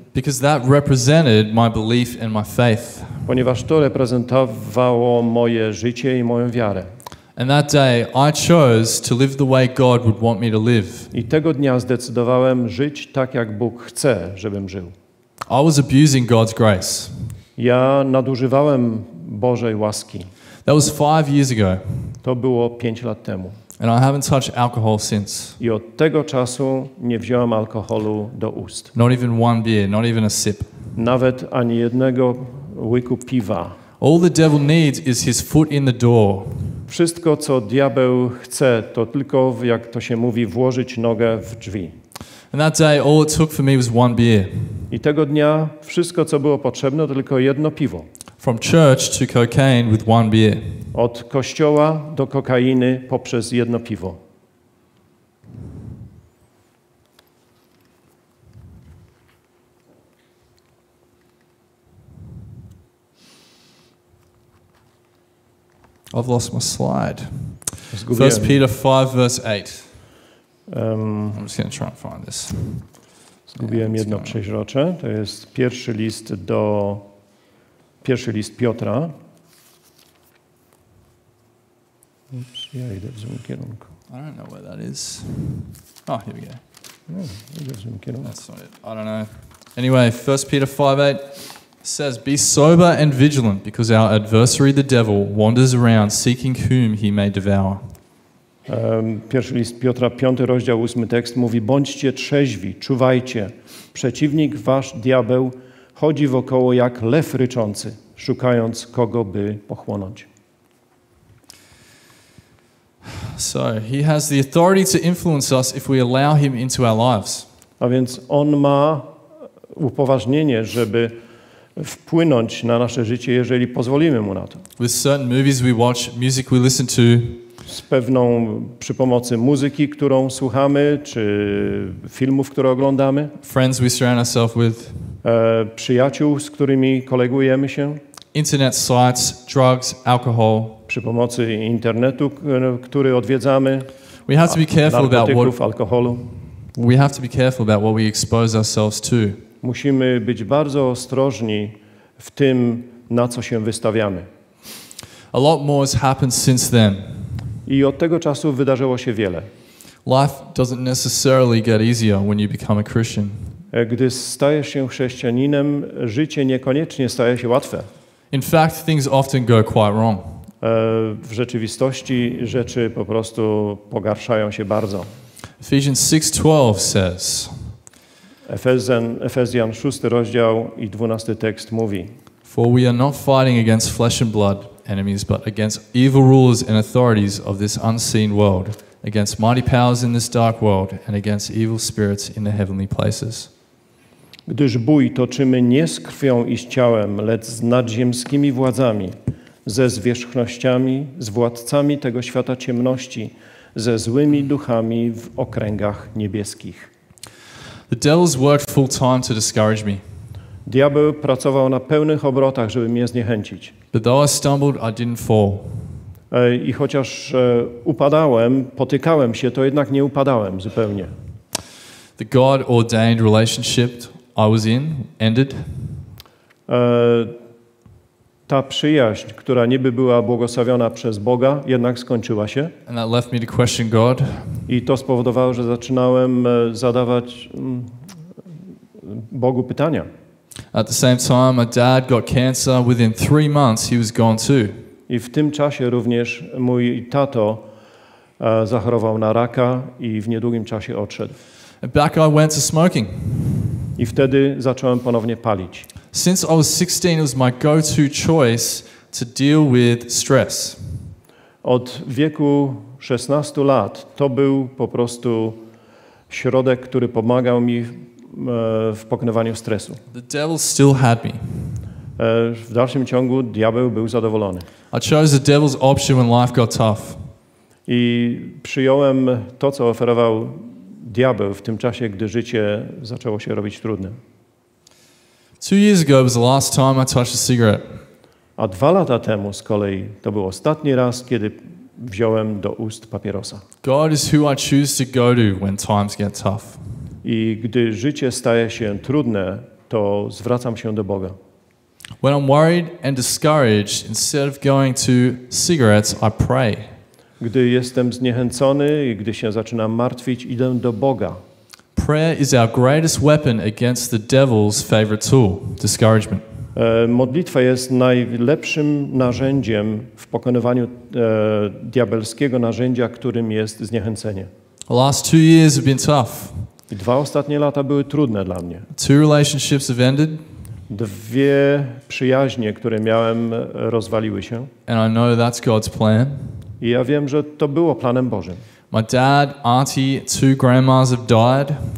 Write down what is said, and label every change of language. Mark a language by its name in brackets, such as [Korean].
[English] Because that represented my belief and my faith. [Polish] Ponieważ to reprezentowało moje życie i moją wiarę. [English] And that day I chose to live the way God would want me to live. [Polish] I tego dnia zdecydowałem żyć tak, jak Bóg chce, żebym żył. [English] I was abusing God's grace. [Polish] Ja nadużywałem Bożej łaski. [English] That was 5 years ago. [Polish] To było 5 lat temu. [English] And I haven't touched alcohol since. [Polish] I od tego czasu nie wziąłem alkoholu do ust. [English] Not even one beer, not even a sip. [Polish] nawet ani jednego łyku piwa. [English] All the devil needs is his foot in the door. [Polish] Wszystko, co diabeł chce, to tylko, jak to się mówi, włożyć nogę w drzwi. [English] And that day, all it took for me was one beer. [Polish] I tego dnia wszystko, co było potrzebne, to tylko jedno piwo. [English] From church to cocaine with one beer. [Polish] Od kościoła do kokainy poprzez jedno piwo. [English] I've lost my slide. 1 Peter 5, verse 8. I'm just going to try and find this. [Polish] Zgubiłem jedno przeźrocze. To jest pierwszy list do... Pierwszy list Piotra. Ups, ja idę w złym kierunku. [English] I don't know where that is. Oh, here we go. [Polish] No, idę w złym kierunku. [English] That's not it. I don't know. Anyway, 1 Peter 5, 8. Says, be sober and vigilant, because our adversary, the devil, wanders around seeking whom he may devour. [Polish] Pierwszy list Piotra, 5 rozdział, 8 tekst mówi, bądźcie trzeźwi, czuwajcie. Przeciwnik wasz, diabeł, chodzi wokoło jak lew ryczący, szukając kogo by pochłonąć. [English] So, he has the authority to influence us if we allow him into our lives. [Polish] A więc on ma upoważnienie, żeby wpłynąć na nasze życie, jeżeli pozwolimy mu na to. [English] With certain movies we watch, music we listen to. [Polish] Z pewną, przy pomocy muzyki, którą słuchamy, czy filmów, które oglądamy. [English] Friends we surround ourselves with. [Polish] Przyjaciół, z którymi kolegujemy się. [English] Internet sites, drugs, alcohol. [Polish] Przy pomocy internetu, który odwiedzamy. [English] We have to be careful about what. [Polish] Alkoholu. [English] We have to be careful about what we expose ourselves to. [Polish] Musimy być bardzo ostrożni w tym, na co się wystawiamy. [English] A lot more has happened since then. [Polish] I od tego czasu wydarzyło się wiele. [English] Life doesn't necessarily get easier when you become a Christian. [Polish] Gdy stajesz się chrześcijaninem, życie niekoniecznie staje się łatwe. [English] In fact, things often go quite wrong. [Polish] W rzeczywistości rzeczy po prostu pogarszają się bardzo. [English] Ephesians 6:12 says. [Polish] Efezjan 6 rozdział i 12 tekst mówi. [English] For we are not fighting against flesh and blood enemies, but against evil rulers and authorities of this unseen world, against mighty powers in this dark world, and against evil spirits in the heavenly places. [Polish] Gdyż bój toczymy nie z krwią i z ciałem, lecz z nadziemskimi władzami, ze zwierzchnościami, z władcami tego świata ciemności, ze złymi duchami w okręgach niebieskich. [English] The devil's worked full time to discourage me. [Polish] Diabeł pracował na pełnych obrotach, żeby mnie zniechęcić. [English] But though I stumbled, I didn't fall. [Polish] I chociaż upadałem, potykałem się, to jednak nie upadałem zupełnie. [English] The God-ordained relationship I was in ended. [Polish] Ta przyjaźń, która niby była błogosławiona przez Boga, jednak skończyła się. [English] And that left me to question God. [Polish] I to spowodowało, że zaczynałem zadawać Bogu pytania. [English] At the same time, my dad got cancer. Within 3 months, he was gone too. [Polish] I w tym czasie również mój tato zachorował na raka i w niedługim czasie odszedł. [English] And back I went to smoking. [Polish] I wtedy zacząłem ponownie palić. [English] Since I was 16, it was my go-to choice to deal with stress. [Polish] Od wieku 16 lat to był po prostu środek, który pomagał mi w pokonywaniu stresu. [English] The devil still had me. [Polish] W dalszym ciągu diabeł był zadowolony. [English] I chose the devil's option when life got tough. [Polish] I przyjąłem to, co oferował diabeł w tym czasie, gdy życie zaczęło się robić trudne. [English] 2 years ago was the last time I touched a cigarette. [Polish] A 2 lata temu z kolei to był ostatni raz, kiedy wziąłem do ust papierosa. [English] God is who I choose to go to when times get tough. [Polish] I gdy życie staje się trudne, to zwracam się do Boga. [English] When I'm worried and discouraged, instead of going to cigarettes, I pray. [Polish] Gdy jestem zniechęcony i gdy się zaczynam martwić, idę do Boga. [English] Prayer is our greatest weapon against the devil's favorite tool, discouragement. [Polish] Modlitwa jest najlepszym narzędziem w pokonywaniu diabelskiego narzędzia, którym jest zniechęcenie. [English] The last 2 years have been tough. [Polish] 2 ostatnie lata były trudne dla mnie. [English] 2 relationships have ended. [Polish] Dwie przyjaźnie, które miałem, rozwaliły się. [English] And I know that's God's plan. [Polish] I ja wiem, że to było planem Bożym. [English] My dad, auntie, two grandmas have died.